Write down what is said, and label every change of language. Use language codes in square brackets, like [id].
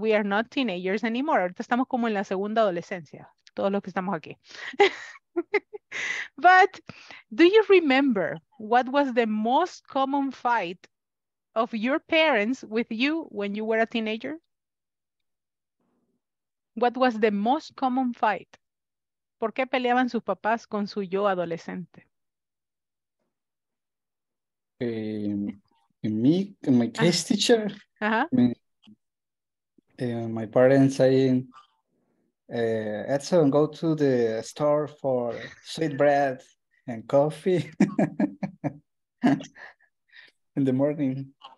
[en] We are not teenagers anymore. [es] Ahorita estamos como en la segunda adolescencia. Todos los que estamos aquí. [en] But do you remember what was the most common fight of your parents with you when you were a teenager? What was the most common fight? [es] ¿Por qué peleaban sus papás con su yo adolescente? [en] My case teacher, my parents saying, Edson, go to the store for sweet bread and coffee in the morning.